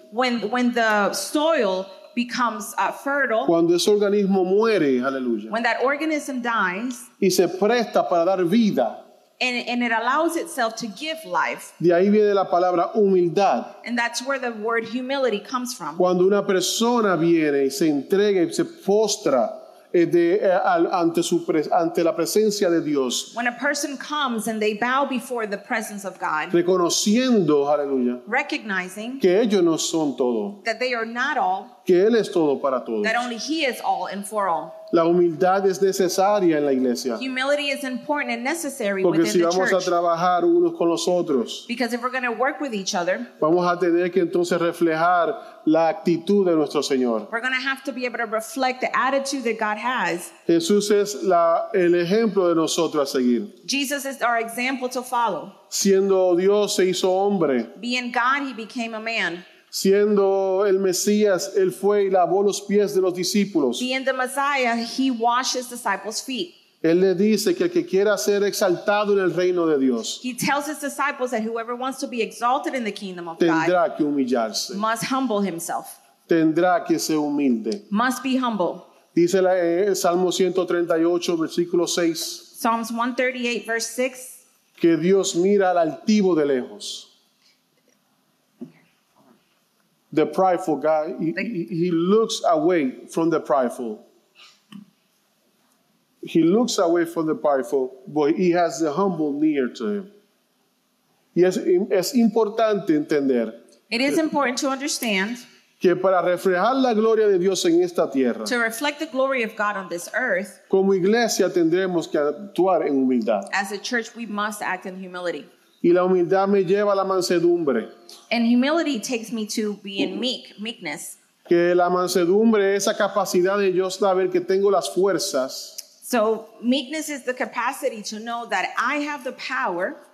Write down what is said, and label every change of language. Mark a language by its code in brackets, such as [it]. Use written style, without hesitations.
[en] When the soil becomes fertile. [es] Cuando ese organismo muere, aleluya. [en] When that organism dies. [es] Y se presta para dar vida. [en] And it allows itself to give life. [es] De ahí viene la palabra humildad. [en] And that's where the word humility comes from. [es] Cuando una persona viene y se entrega y se postra ante la presencia de Dios. [en] When a person comes and they bow before the presence of God. [es] Reconociendo, aleluya. [en] Recognizing. [es] Que ellos no son todo. [en] That they are not all. [es] Que Él es todo para todos. [en] That only He is all and for all. [es] La humildad es necesaria en la iglesia. [en] Humility is important and necessary. [es] Porque si vamos [en] the church, [es] a trabajar unos con los otros. [en] Because if we're going to work with each other. [es] Vamos a tener que entonces reflejar la actitud de nuestro Señor. [en] We're going to have to be able to reflect the attitude that God has. [es] Jesús es el ejemplo de nosotros a seguir. [en] Jesus is our example to follow. [es] Siendo Dios se hizo hombre. [en] Being God, He became a man. [es] Siendo el Mesías, Él fue y lavó los pies de los discípulos. [en] Being the Messiah, He washes disciples' feet. [es] Él le dice que el que quiera ser exaltado en el reino de Dios. [en] He tells His disciples that whoever wants to be exalted in the kingdom of [es] tendrá [en] God. [es] Tendrá que humillarse. [en] Must humble himself. [es] Tendrá que ser humilde. [en] Must be humble. [es] Dice el Salmo 138, versículo 6. [en] Psalms 138, verse 6. [es] Que Dios mira al altivo de lejos. [en] The prideful guy, he looks away from the prideful. He looks away from the prideful, but he has the humble near to him. [es] Y es importante entender. [en] It is important to understand. [es] Que para reflejar la gloria de Dios en esta tierra. [en] To reflect the glory of God on this earth. [es] Como iglesia tendremos que actuar en humildad. [en] As a church, we must act in humility. [es] Y la humildad me lleva a la mansedumbre. [en] And humility takes me to being meekness. [es] Que la mansedumbre es esa capacidad de yo saber que tengo las fuerzas. [en] So meekness is the capacity to know that I have the power.